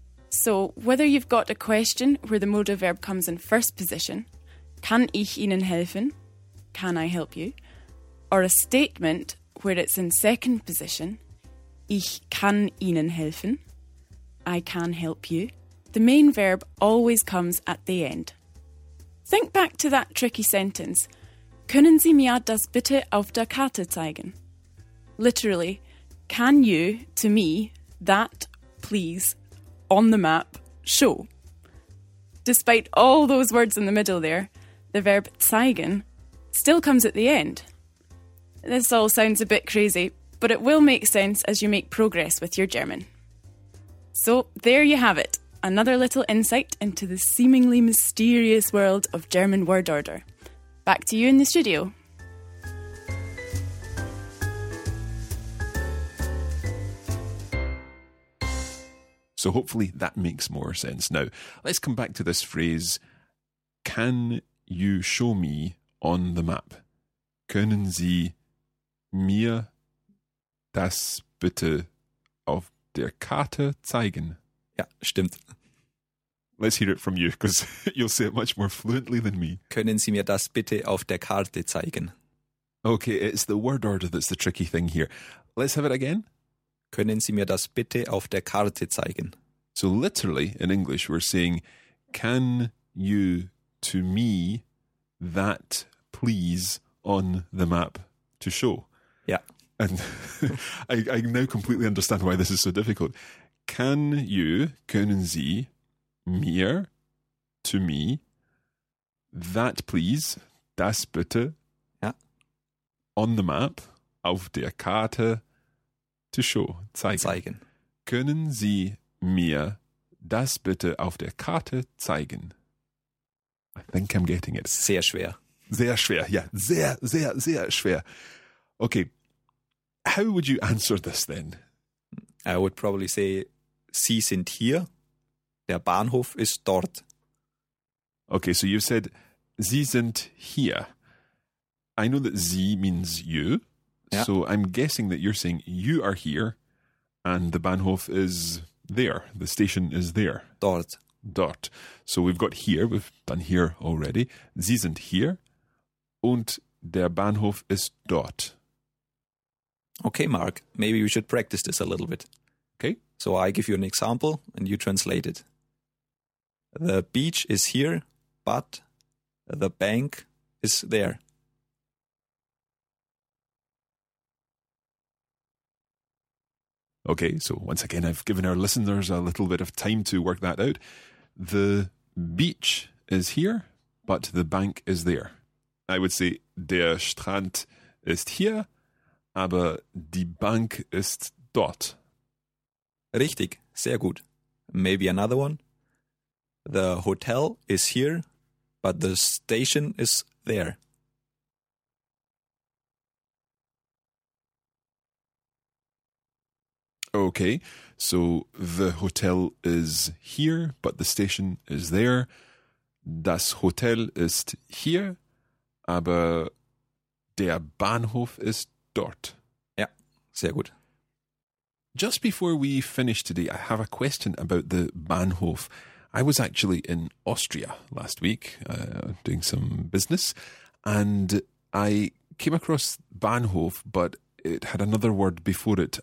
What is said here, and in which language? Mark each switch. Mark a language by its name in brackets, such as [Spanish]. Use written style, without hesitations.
[English] So whether you've got a question where the modal verb comes in first position, [German] kann ich Ihnen helfen, [English] can I help you, or a statement where it's in second position, [German] ich kann Ihnen helfen, [English] I can help you, the main verb always comes at the end. Think back to that tricky sentence. [German] Können Sie mir das bitte auf der Karte zeigen? [English] Literally, can you, to me, that, please, on the map, show? Despite all those words in the middle there, the verb zeigen still comes at the end. This all sounds a bit crazy, but it will make sense as you make progress with your German. So, there you have it. Another little insight into the seemingly mysterious world of German word order. Back to you in the studio. So hopefully that makes more sense. Now, let's come back to this phrase, can you show me on the map? [German] Können Sie mir das bitte auf der Karte zeigen? Ja, stimmt. [English] Let's hear it from you, because you'll say it much more fluently than me. [German] Können Sie mir das bitte auf der Karte zeigen? [English] Okay, it's the word order that's the tricky thing here. Let's have it again. [German] Können Sie mir das bitte auf der Karte zeigen? [English] So literally, in English, we're saying, can you to me that please on the map to show? Yeah. And I now completely understand why this is so difficult. Can you, [German] können Sie mir, [English] to me, that please, [German] das bitte, [English] yeah, on the map, [German] auf der Karte, [English] to show, zeigen. [German] Zeigen. Können Sie mir das bitte auf der Karte zeigen? [English] I think I'm getting it. [German] Sehr schwer. Sehr schwer, [English] yeah. [German] Sehr, sehr, sehr schwer. [English] Okay, how would you answer this then? I would probably say, [German] Sie sind hier. Der Bahnhof ist dort. [English] Okay, so you said, [German] Sie sind hier. [English] I know that Sie means you. Yeah. So I'm guessing that you're saying you are here and the Bahnhof is there. The station is there. [German] Dort. [English] Dort. So we've got here. We've done here already. [German] Sie sind hier. Und der Bahnhof ist dort. [English] Okay, Mark. Maybe we should practice this a little bit. Okay. So I give you an example and you translate it. The beach is here, but the bank is there. Okay, so once again, I've given our listeners a little bit of time to work that out. The beach is here, but the bank is there. I would say, [German] der Strand ist hier, aber die Bank ist dort. Richtig, sehr gut. [English] Maybe another one. The hotel is here, but the station is there. Okay, so the hotel is here, but the station is there. [German] Das Hotel ist hier, aber der Bahnhof ist dort. Ja, sehr gut. [English] Just before we finish today, I have a question about the Bahnhof. I was actually in Austria last week doing some business, and I came across Bahnhof, but it had another word before it.